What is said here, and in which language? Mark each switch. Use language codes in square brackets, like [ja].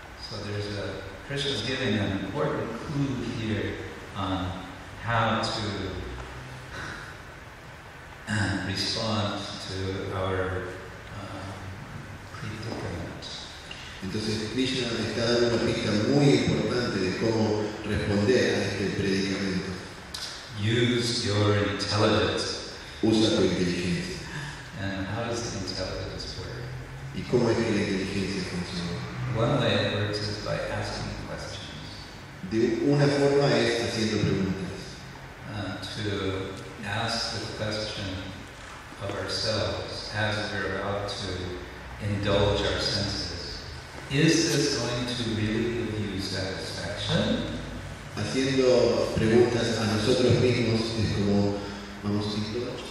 [en] So there's a Krishna's giving an important clue here on how to respond to our predicament. [es] Entonces Krishna está dando una pista muy importante de cómo responder a este predicamento. [en] Use your intelligence. [es] Usa tu inteligencia. [en] And how does the intelligence work? [es] ¿Y cómo es que la inteligencia funciona? [en] One way it works is by asking questions. [es] De una forma es haciendo preguntas. [en] To ask the question of ourselves as we're about to indulge our senses. Is this going to really give you satisfaction? [es] Haciendo preguntas a nosotros mismos es como vamos a indulge.